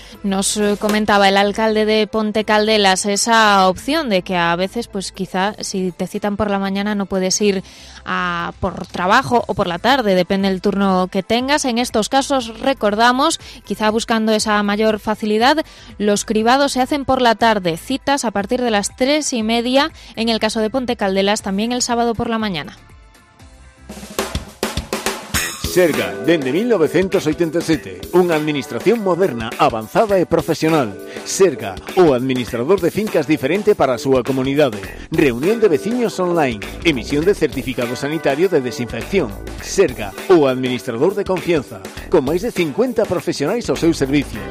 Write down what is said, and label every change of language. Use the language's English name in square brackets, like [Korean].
[Spanish] Nos comentaba el alcalde de Ponte Caldelas esa opción de que a veces, pues quizá si te citan por la mañana no puedes ir por trabajo, o por la tarde, depende del turno que tengas. En estos casos, recordamos, quizá buscando esa mayor facilidad, los cribados se hacen por la tarde, citas a partir de las 3:30, en el caso de Ponte Caldelas también el sábado por la mañana. [Galician] Serga, dende 1987, unha administración moderna, avanzada e profesional. Serga, o administrador de fincas diferente para a súa comunidade. Reunión de veciños online, emisión de certificado sanitario de desinfección. Serga, o administrador de confianza, con máis de 50 profesionais ao seu servicio.